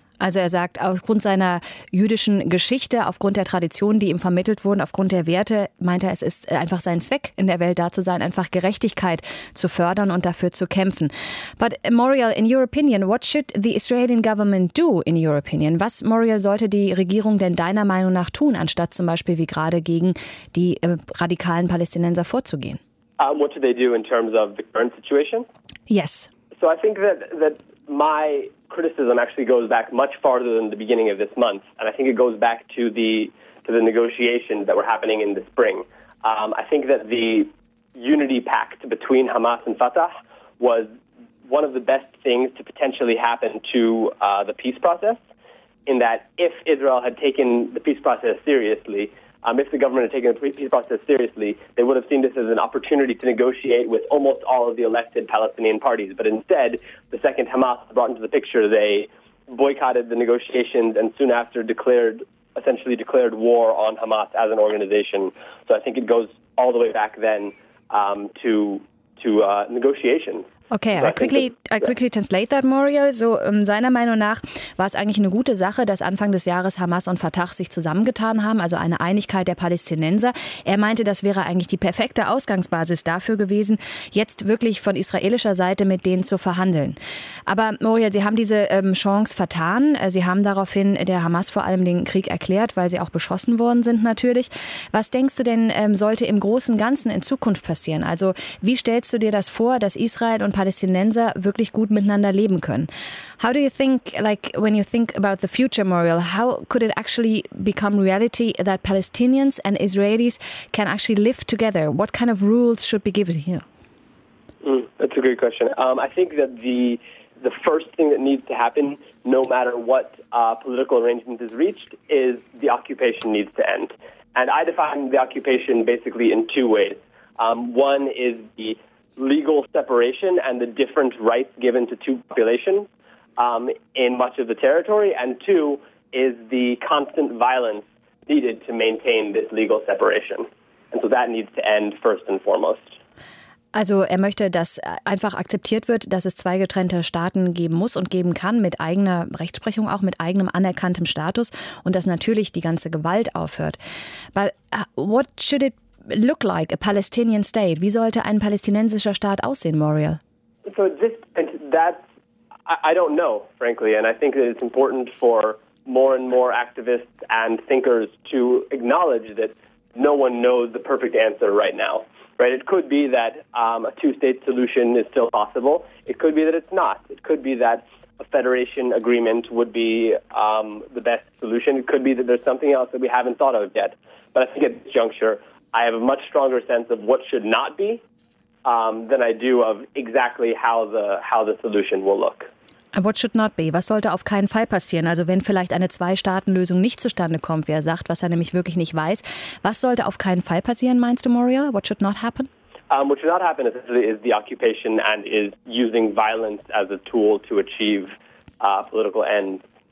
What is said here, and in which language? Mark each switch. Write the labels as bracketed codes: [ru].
[de] Also er sagt, aufgrund seiner jüdischen Geschichte, aufgrund der Traditionen, die ihm vermittelt wurden, aufgrund der Werte, meint er, es ist einfach sein Zweck, in der Welt da zu sein, einfach Gerechtigkeit zu fördern und dafür zu kämpfen. [en] But Moriel, in your opinion, what should the Israeli government do, in your opinion? [de] Was, Moriel, sollte die Regierung denn deiner Meinung nach tun, anstatt zum Beispiel wie gerade gegen die radikalen Palästinenser vorzugehen? [en] What should they do in terms of the current situation? Yes. So I think that my criticism actually goes back much farther than the beginning of this month, and I think it goes back to the negotiations that were happening in the spring. I think that the unity pact between Hamas and Fatah was one of the best things to potentially happen to the peace process, in that if Israel had taken the peace process seriously, if the government had taken the peace process seriously, they would have seen this as an opportunity to negotiate with almost all of the elected Palestinian parties. But instead, the second Hamas brought into the picture, they boycotted the negotiations and soon after essentially declared war on Hamas as an organization. So I think it goes all the way back then to negotiations. Okay, I quickly translate that, Moriel. [de] So seiner Meinung nach war es eigentlich eine gute Sache, dass Anfang des Jahres Hamas und Fatah sich zusammengetan haben, also eine Einigkeit der Palästinenser. Er meinte, das wäre eigentlich die perfekte Ausgangsbasis dafür gewesen, jetzt wirklich von israelischer Seite mit denen zu verhandeln. Aber Moriel, Sie haben diese Chance vertan. Sie haben daraufhin der Hamas vor allem den Krieg erklärt, weil sie auch beschossen worden sind natürlich. Was denkst du denn, sollte im großen Ganzen in Zukunft passieren? Also wie stellst du dir das vor, dass Israel und Palästinenser wirklich gut miteinander leben können? [en] How do you think, like, when you think about the future, Moriel, how could it actually become reality that Palestinians and Israelis can actually live together? What kind of rules should be given here? That's a great question. I think that the first thing that needs to happen, no matter what political arrangement is reached, is the occupation needs to end. And I define the occupation basically in two ways. One is the legal separation and the different rights given to two populations in much of the territory, and two is the constant violence needed to maintain this legal separation. And so that needs to end first and foremost. [de] Also er möchte, dass einfach akzeptiert wird, dass es zwei getrennte Staaten geben muss und geben kann, mit eigener Rechtsprechung auch, mit eigenem anerkanntem Status, und dass natürlich die ganze Gewalt aufhört. [en] But what should it look like, a Palestinian state? [de] Wie sollte ein palästinensischer Staat aussehen, Moriel? [en] So I don't know, frankly, and I think that it's important for more and more activists and thinkers to acknowledge that no one knows the perfect answer right now, right? It could be that a two-state solution is still possible. It could be that it's not. It could be that a federation agreement would be the best solution. It could be that there's something else that we haven't thought of yet. But I think at this juncture, I have a much stronger sense of what should not be than I do of exactly how the solution will look. What should not be? [de] Was sollte auf keinen Fall passieren? Also wenn vielleicht eine Zwei-Staaten-Lösung nicht zustande kommt, wie er sagt, was er nämlich wirklich nicht weiß. Was sollte auf keinen Fall passieren, meinst du, Muriel? [en] What should not happen? What should not happen essentially is the occupation and is using violence as a tool to achieve political ends.